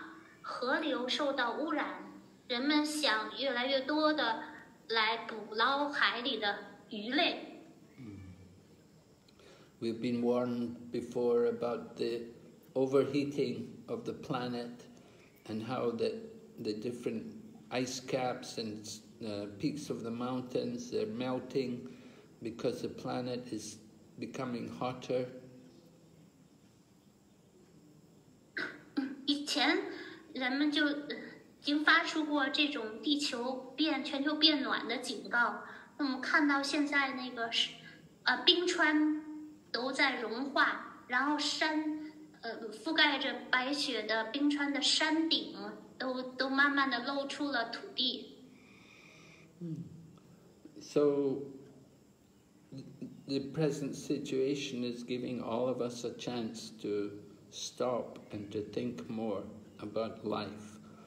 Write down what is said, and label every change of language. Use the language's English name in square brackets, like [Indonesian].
[Chinese] 那么看到了现在问题层出不穷，那这是由于人类自己自作自受，人们还在污染着环境，然后季节也不正常了，大自然并不和谐，很多的耕地都被取消来建立大工厂，河流受到污染。人们想越来越多的来捕捞海里的鱼类。 [English] We've been warned before about the overheating of the planet and how the different ice caps and peaks of the mountains are melting because the planet is becoming hotter. [Chinese] 以前人们就 已经发出过这种地球变全球变暖的警告，那么看到现在那个冰川都在融化，然后覆盖着白雪的冰川的山顶都慢慢的露出了土地。 [English] So the present situation is giving all of us a chance to stop and to think more about life.